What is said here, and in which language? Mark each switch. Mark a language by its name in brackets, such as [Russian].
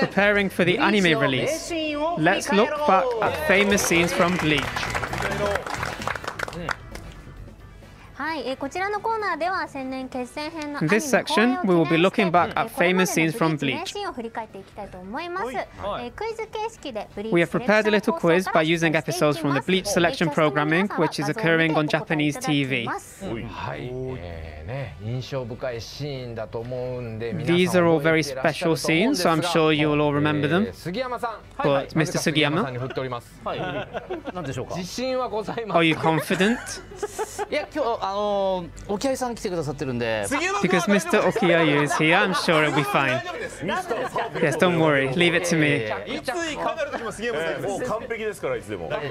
[English] Preparing for the anime release. Let's look back at famous scenes from Bleach. [Japanese] はい、こちらのコーナーでは千年決戦編のアニメ。 [English] This section we will be looking back at famous scenes from Bleach. [Japanese] 名シーンを振り返っていきたいと思います。クイズ形式で [English] We have prepared a little quiz by using episodes from the Bleach selection programming, which is occurring on Japanese TV. [Japanese] はい。印象深いシーンだと思うんで、 [English] These are all very special scenes, so I'm sure you will all remember them. [Japanese] 杉山さん、 [English] But Mr. Sugiyama, [Japanese] はい、何でしょうか？自信はございます。 [English] Are you confident? [Japanese] いや、今日Okiayu さん来てくださってるんで、 [English] Because Mr. Okiayu is here, I'm sure it'll be fine. Yes, don't worry, leave it to me. [Japanese] いつ行かれる時も杉山さん、もう完璧ですからいつでも。